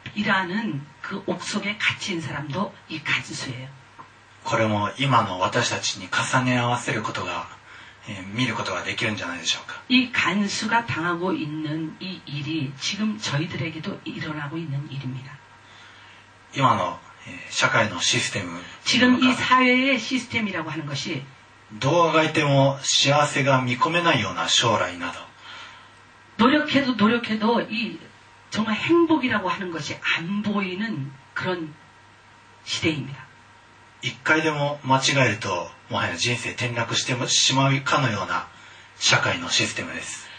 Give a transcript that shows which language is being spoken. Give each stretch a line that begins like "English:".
Korean: 이라는그옥속에갇힌사람도이간수예요
Japanese: これも今の私たちに重ね合わせることが、見ることができるんじゃないでしょうか。
Korean: 이간수가당하고있는이일이지금저희들에게도일어나고있는일입니다
Japanese: 今の、社会のシステム
Korean: 지금이사회의시스템이라고하는것이
Japanese: どうあがいても幸せが見込めないような将来など
Korean: 노력해도노력해도이정말행복이라고하는것이안보이는그런시대입니다
Japanese: 一回でも間違えるともはや人生転落してしまうかのような社会のシステムです